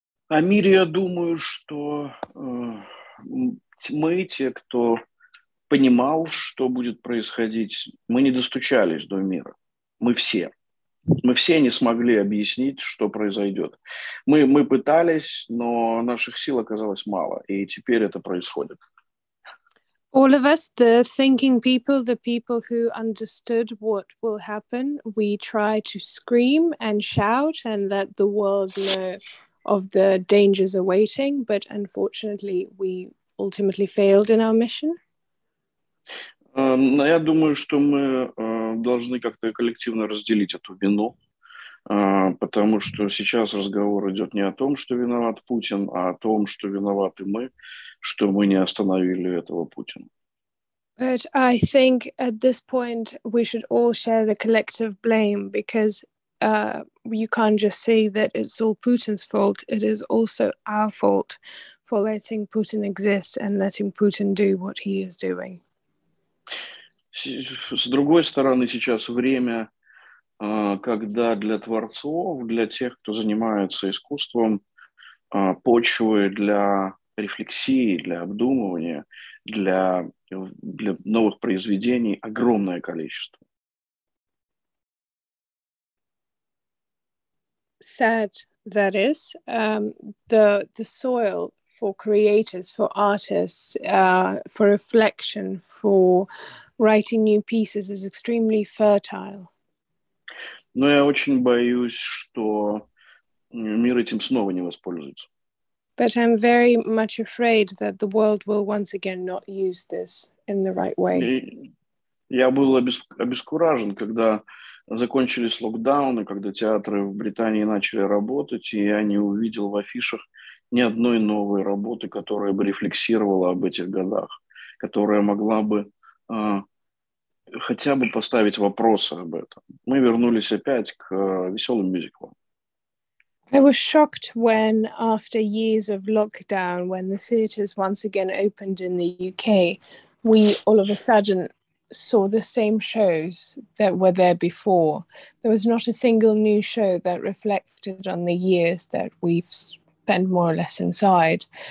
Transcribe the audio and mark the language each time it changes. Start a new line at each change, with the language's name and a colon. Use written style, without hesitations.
Russian: О мире я думаю, что мы те, кто понимал, что будет происходить, мы не достучались до мира. Мы все. Мы все не смогли объяснить, что произойдет. Мы пытались, но наших сил оказалось мало, и теперь это происходит.
English: All of us, the thinking people, the people who understood what will happen, we try to scream and shout and let the world know of the dangers awaiting, but unfortunately we ultimately failed in our mission.
Russian: Но я думаю, что мы должны как-то коллективно разделить эту вину, потому что сейчас разговор идет не о том, что виноват Путин, а о том, что виноваты мы, что мы не остановили этого Путина.
English: But I think at this point we should all share the collective blame, because you can't just say that it's all Putin's fault, it is also our fault for letting Putin exist and letting Putin do what he is doing.
Russian: С другой стороны, сейчас время, когда для творцов, для тех, кто занимается искусством, почвы для рефлексии, для обдумывания, для новых произведений огромное количество.
English: Sad that is. The soil for creators, for artists, for reflection, for writing new pieces is extremely fertile.
Russian: Но я очень боюсь, что мир этим снова не воспользуется.
English: But I'm very much afraid that the world will once again not use this in the right way.
Russian: Я был обескуражен, когда закончились локдауны, когда театры в Британии начали работать, и я не увидел в афишах ни одной новой работы, которая бы рефлексировала об этих годах, которая могла бы хотя бы поставить вопросы об этом. Мы вернулись опять к веселым мюзиклам.
English: I was shocked when, after years of lockdown, when the theatres once again opened in the UK, we all of a sudden saw the same shows that were there before. There was not a single new show that reflected on the years that we've spent more or less inside.